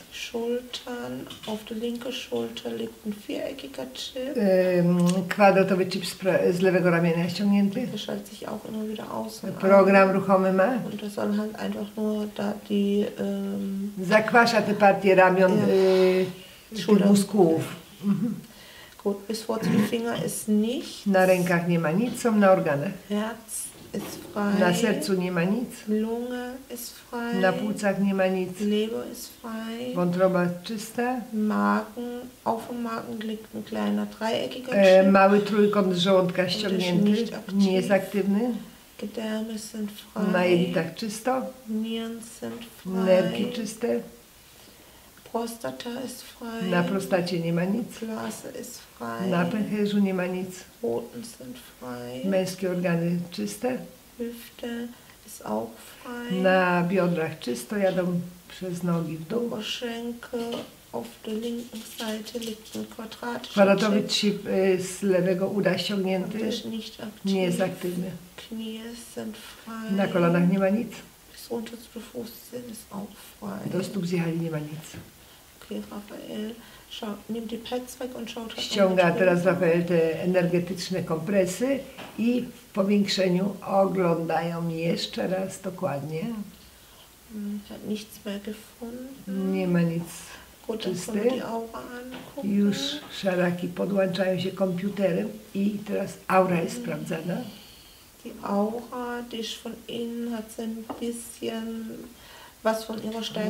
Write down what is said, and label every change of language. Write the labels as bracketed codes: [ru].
[de] Schultern, auf der linken Schulter liegt ein viereckiger Chip. [pl] Kwadratowy chip z lewego ramienia ściągnięty. [de] Der schaltet sich auch immer wieder aus. [pl] Program ruchomy ma. [de] Und das soll halt einfach nur da die... [pl] Zakwasza te partie ramion, tych mózgów. [de] Gut, bis vor zum Finger ist nicht. [pl] Na rękach nie ma nic, są na organach. [de] Herz. Ist frei. [pl] Na sercu nie ma nic. [de] Lunge ist frei. [pl] Na płucach nie ma nic. [de] Leber ist frei. [pl] Wątroba czysta. [de] Magen. Auf dem Magen liegt ein kleiner dreieckiger Chip. [pl] Mały trójkąt z żołądka ściągnięty. Nie jest aktywny. [de] Gedärme sind frei. [pl] Na jelitach czysto. [de] Nieren sind frei. [pl] Nerki czyste. [de] Prostata ist frei. [pl] Na prostacie nie ma nic. [de] Blase ist frei. [pl] Na pęcherzu nie ma nic. [de] Poten sind frei. [pl] Męskie organy czyste. [de] Hüfte ist auch frei. [pl] Na biodrach czysto, jadą przez nogi w dół. [de] Oberschenkel, auf der linken Seite liegt ein quadratischer Chip. [pl] Kwadratowy chip z lewego uda ściągnięty. Też [de] nicht aktiv. [pl] Nie jest aktywny. [de] Knie sind frei. [pl] Na kolanach nie ma nic. [de] Unter zu Bewusstsein ist auch frei. [pl] Do stóp zjechali, nie ma nic. [de] Okay, Rafael, schau, nimm die Pads weg und schau. [pl] Ściąga teraz Rafael te energetyczne kompresy i w powiększeniu oglądają jeszcze raz dokładnie. [de] Hat nichts mehr gefunden. [pl] Nie ma nic. [de] Gut, [pl] czysty. [de] Dann können wir die Aura angucken. [pl] Już szaraki podłączają się komputerem i teraz aura jest sprawdzana. [de] Die Aura, die ist von innen, hat sie ein bisschen was von ihrer Stärke